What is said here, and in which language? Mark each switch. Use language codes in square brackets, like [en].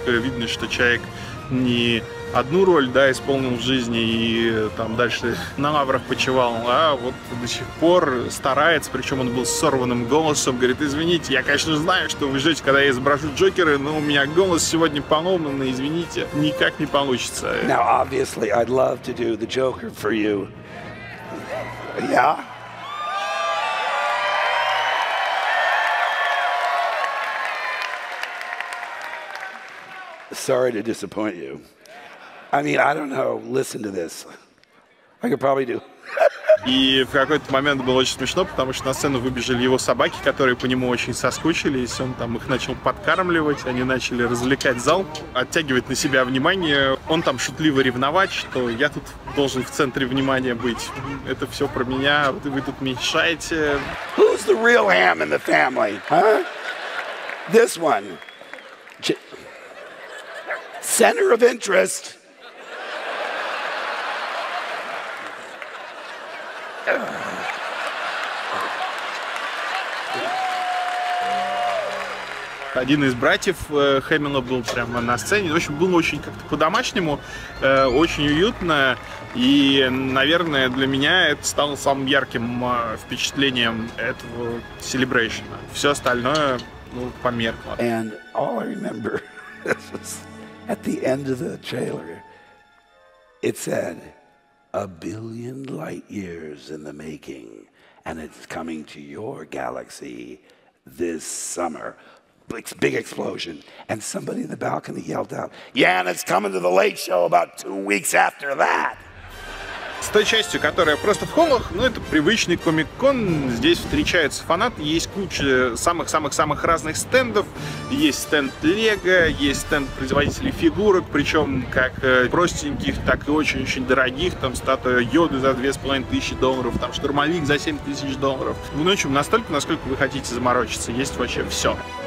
[ru] Видно, что человек не одну роль, да, исполнил в жизни и там дальше на лаврах почивал, а вот до сих пор старается, причем он был с сорванным голосом, говорит, извините, я, конечно, знаю, что вы ждете, когда я изображу Джокера, но у меня голос сегодня поломан, извините, никак не получится. [en] Now, obviously, I'd love to do the Joker for you. Yeah? Sorry to disappoint you. I mean, I don't know. Listen to this. I could probably do. [ru] И в какой-то момент было очень смешно, потому что на сцену выбежали его собаки, которые по нему очень соскучились. Он там их начал подкармливать, они начали развлекать зал, оттягивать на себя внимание. Он там шутливо ревновать, что я тут должен в центре внимания быть. Это все про меня, вы тут мешаете. [en] Who's the real ham in the family, huh? This one. Center of interest. [ru] Один из братьев Хэмилла был прямо на сцене. В общем, было очень как-то по-домашнему, очень уютно. И, наверное, для меня это стало самым ярким впечатлением этого селебрейшена. Все остальное, ну, померкло. [en] And all I remember was at the end of the trailer, it said, a billion light years in the making, and it's coming to your galaxy this summer. Big explosion, and somebody in the balcony yelled out, yeah, and it's coming to the Late Show about 2 weeks after that. [ru] С той частью, которая просто в холлах, ну, это привычный Комик-кон, здесь встречаются фанаты, есть куча самых-самых-самых разных стендов, есть стенд Лего, есть стенд производителей фигурок, причем как простеньких, так и очень-очень дорогих, там статуя Йоды за $2500, там штурмовик за $7000, ну, в общем, настолько, насколько вы хотите заморочиться, есть вообще все.